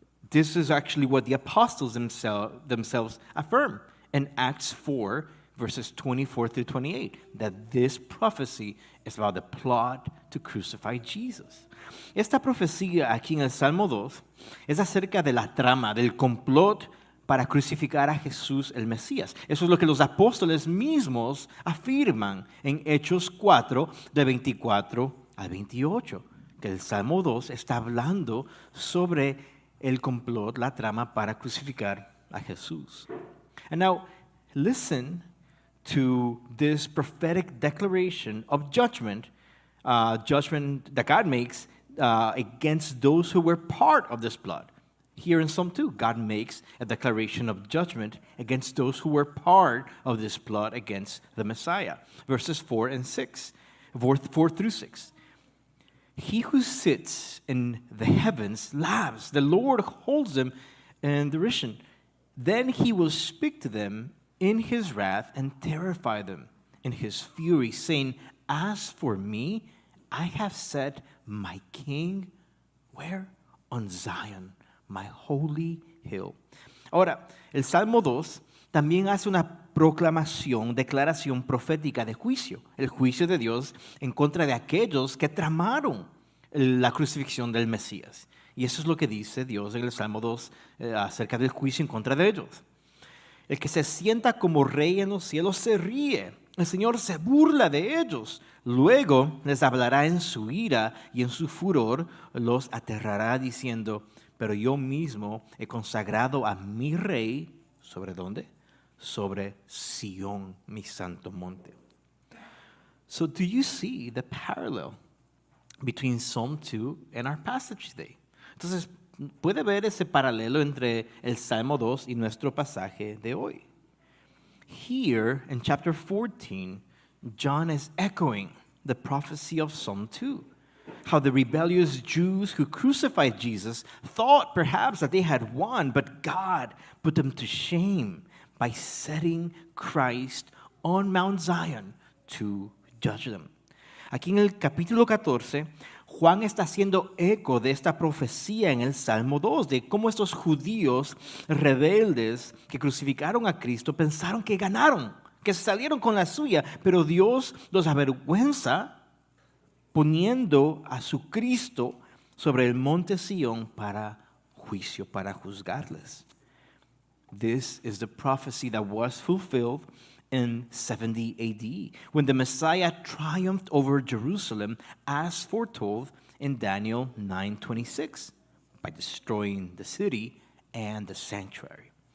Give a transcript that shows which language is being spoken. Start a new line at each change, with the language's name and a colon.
English: This is actually what the apostles themselves affirm in Acts 4, verses 24 through 28, that this prophecy is about the plot to crucify Jesus.
Spanish: Esta profecía aquí en el Salmo 2 es acerca de la trama, del complot para crucificar a Jesús, el Mesías. Eso es lo que los apóstoles mismos afirman en Hechos 4, de 24 al 28, que el Salmo 2 está hablando sobre el complot, la trama para crucificar a Jesús.
English: And now, listen to this prophetic declaration of judgment, judgment that God makes against those who were part of this plot. Here in Psalm 2, God makes a declaration of judgment against those who were part of this plot against the Messiah. Verses 4 and 6, 4 through 6. He who sits in the heavens laughs. The Lord holds them in derision. Then he will speak to them in his wrath and terrify them in his fury, saying, as for me, I have set my king, where? On Zion, my holy hill.
Spanish: Ahora, el Salmo 2 también hace una proclamación, declaración profética de juicio, el juicio de Dios en contra de aquellos que tramaron la crucifixión del Mesías. Y eso es lo que dice Dios en el Salmo 2 acerca del juicio en contra de ellos. El que se sienta como rey en los cielos se ríe. El Señor se burla de ellos. Luego les hablará en su ira y en su furor los aterrará diciendo, pero yo mismo he consagrado a mi rey, ¿sobre dónde? Sobre Sion, mi santo monte.
English: So do you see the parallel between Psalm 2 and our passage today?
Spanish: Entonces, ¿puede ver ese paralelo entre el Salmo 2 y nuestro pasaje de hoy?
English: Here, in chapter 14, John is echoing the prophecy of Psalm 2. How the rebellious Jews who crucified Jesus thought perhaps that they had won, but God put them to shame by setting Christ on Mount Zion to judge them.
Spanish: Aquí en el capítulo 14, Juan está haciendo eco de esta profecía en el Salmo 2, de cómo estos judíos rebeldes que crucificaron a Cristo pensaron que ganaron, que salieron con la suya, pero Dios los avergüenza poniendo a su Cristo sobre el monte Sion para juicio, para juzgarles.
English: This is the prophecy that was fulfilled in 70 AD, when the Messiah triumphed over Jerusalem, as foretold in Daniel 9:26, by destroying the city and the sanctuary.